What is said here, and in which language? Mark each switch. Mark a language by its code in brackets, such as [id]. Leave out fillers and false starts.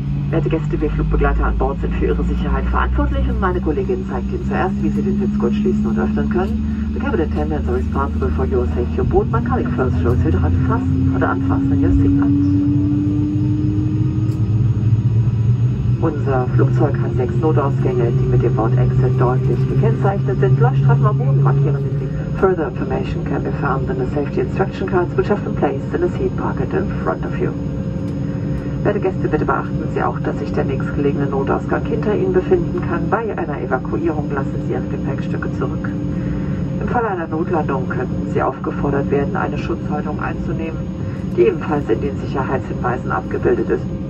[de] Werte Gäste, wir Flugbegleiter an Bord sind für Ihre Sicherheit verantwortlich und meine Kollegin zeigt Ihnen zuerst, wie Sie den Sitzgurt schließen und öffnen können. [en] The cabin attendants are responsible for your safety on board. My colleague first shows you to unfasten [de] oder anfassen [en] your seatbelt. [de] Unser Flugzeug hat 6 Notausgänge, die mit dem Wort Exit deutlich gekennzeichnet sind. Leuchtstreifen am Boden markieren den Weg. [en] Further information can be found in the safety instruction cards, which have been placed in the seat pocket in front of you. [de] Werte Gäste, bitte beachten Sie auch, dass sich der nächstgelegene Notausgang hinter Ihnen befinden kann. Bei einer Evakuierung lassen Sie Ihre Gepäckstücke zurück. Im Fall einer Notlandung könnten Sie aufgefordert werden, eine Schutzhaltung einzunehmen, die ebenfalls in den Sicherheitshinweisen abgebildet ist.